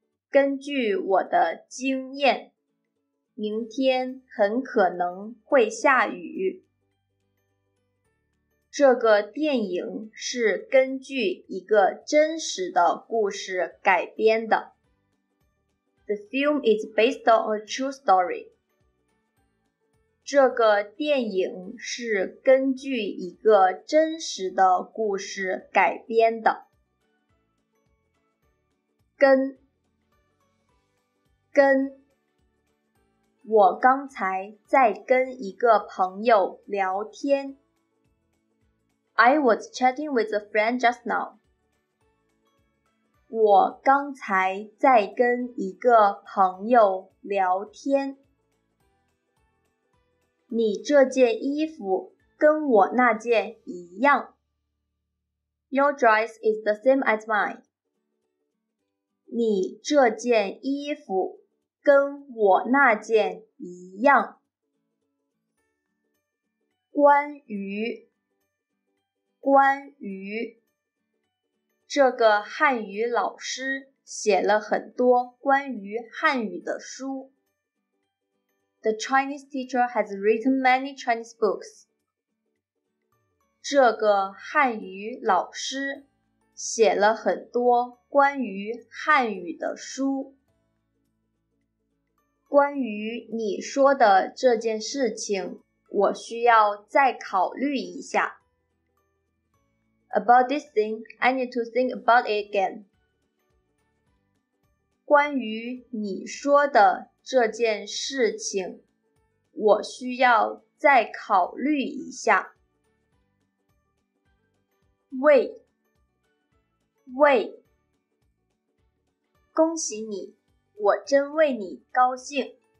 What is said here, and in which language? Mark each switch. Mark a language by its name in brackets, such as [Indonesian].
[Chinese] 根据我的经验，明天很可能会下雨。这个电影是根据一个真实的故事改编的。 [English] The film is based on a true story. [Chinese] 这个电影是根据一个真实的故事改编的。跟跟，我刚才在跟一个朋友聊天。 [English] I was chatting with a friend just now. [Chinese] 我刚才在跟一个朋友聊天。你这件衣服跟我那件一样。 [English] Your dress is the same as mine. [Chinese] 你这件衣服跟我那件一样。关于，关于，这个汉语老师写了很多关于汉语的书。 [English] The Chinese teacher has written many Chinese books. [Chinese] 这个汉语老师写了很多关于汉语的书。关于你说的这件事情，我需要再考虑一下。 [English] About this thing, I need to think about it again. [Chinese] 关于你说的这件事情，我需要再考虑一下。喂喂，恭喜你，我真为你高兴。